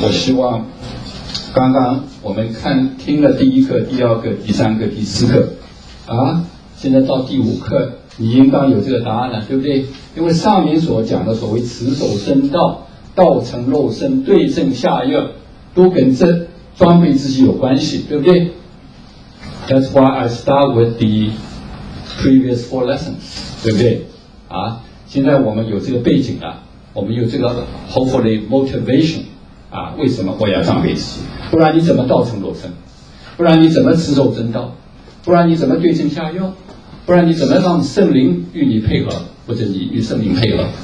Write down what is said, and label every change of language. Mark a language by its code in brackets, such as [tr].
[zh] 我希望刚刚我们听了第一课、第二课、第三课、第四课，现在到第五课，你应当有这个答案了，对不对？因为上面所讲的所谓持守身道、道成肉身、对症下药，都跟这装备自己有关系，对不对？ [en] That's why I start with the previous four lessons， [zh] 对不对？现在我们有这个背景了，我们有这个 [en] hopefully motivation， [zh] 为什么我要装备自己？不然你怎么道成肉身？不然你怎么持守真道？不然你怎么对症下药？不然你怎么让圣灵与你配合，或者你与圣灵配合？